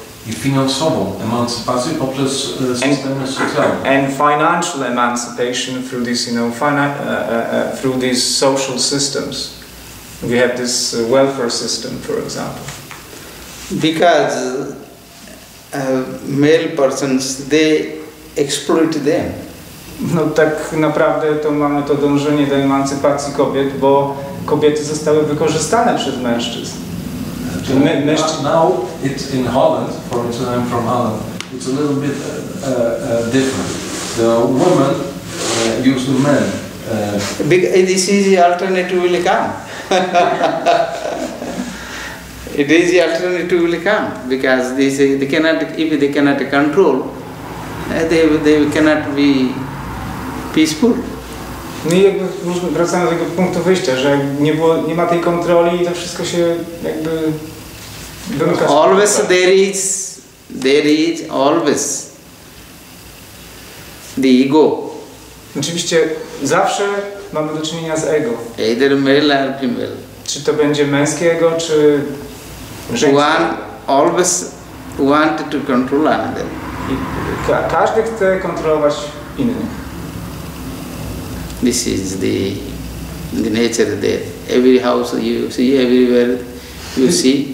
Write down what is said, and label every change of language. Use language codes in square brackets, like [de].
[pl] I finansową emancypację poprzez systemy socjalne. [en] And financial emancipation through these, you know, through these social systems. We have this welfare system, for example. Because male persons, they exploit them. [pl] No tak naprawdę to mamy to dążenie do emancypacji kobiet, bo kobiety zostały wykorzystane przez mężczyzn. [en] Now it's in Holland, for instance, I'm from Holland, it's a little bit different. The woman use the men. This is the alternative will come. It is the alternative will come, because if they cannot control, they cannot be peaceful. [pl] No i jakby wracamy do tego punktu wyjścia, że nie było, nie ma tej kontroli i to wszystko się jakby... [en] Always there is always the ego. [pl] Oczywiście zawsze mamy do czynienia z ego. [en] Either male or female. [pl] Czy to będzie męskie ego, czy żeńskie? [en] One always want to control another. [pl] Każdy chce kontrolować innych. [en] This is the nature there. Every house you see, everywhere you see.